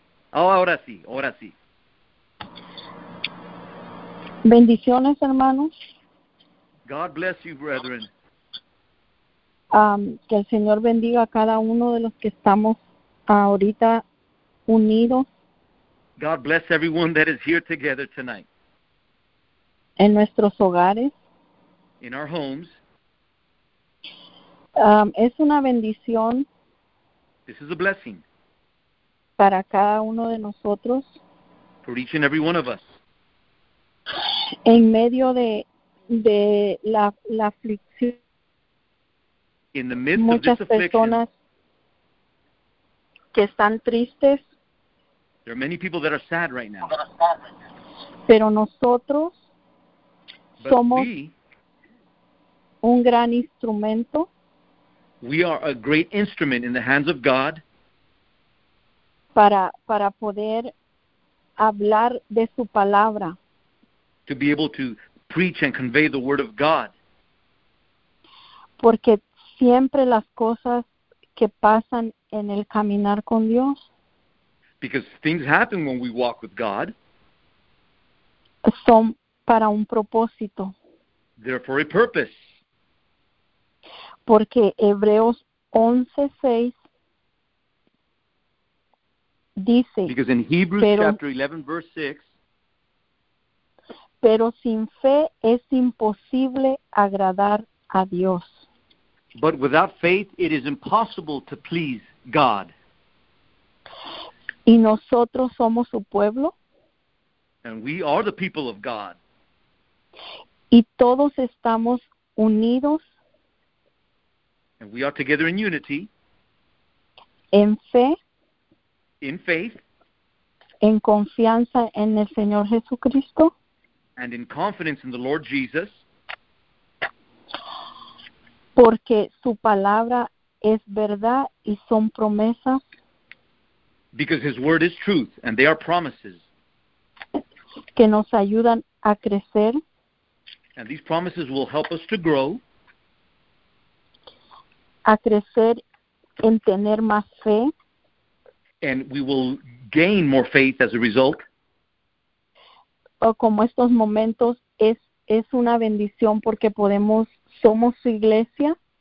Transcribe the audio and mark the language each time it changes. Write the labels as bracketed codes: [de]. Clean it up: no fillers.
[es] ¿Aló? Oh, ahora sí. Bendiciones, hermanos. [en] God bless you, brethren. [es] Que el Señor bendiga a cada uno de los que estamos ahorita unidos. [en] God bless everyone that is here together tonight. [es] En nuestros hogares. [en] In our homes. [es] Es una bendición. [en] This is a blessing. [es] Para cada uno de nosotros. [en] For each and every one of us. [es] En medio de la aflicción. [en] In the midst [es] muchas [en] of this affliction. [es] Muchas personas que están tristes. [en] There are many people that are sad right now. [es] Pero nosotros [en] But [es] somos [en] we, [es] un gran instrumento. [en] We are a great instrument in the hands of God. [es] Para poder hablar de su palabra. [en] To be able to preach and convey the word of God. [es] Porque siempre las cosas que pasan en el caminar con Dios. [en] Because things happen when we walk with God. [es] Son para un propósito. [en] They're for a purpose. [es] Porque Hebreos 11:6 dice. [en] Because in Hebrews chapter 11 verse 6. [es] Pero sin fe es imposible agradar a Dios. [en] But without faith it is impossible to please God. [es] Y nosotros somos su pueblo. [en] And we are the people of God. [es] Y todos estamos unidos. [en] And we are together in unity. [es] En fe. [en] In faith. [es] En confianza en el Señor Jesucristo. [en] And in confidence in the Lord Jesus. [es] Porque su palabra es verdad y son promesas. [en] Because his word is truth and they are promises. [es] Que nos ayudan a crecer. [en] And these promises will help us to grow. [es] A crecer en tener más fe. [en] And we will gain more faith as a result. [es] O como estos momentos es una bendición porque podemos, somos su iglesia.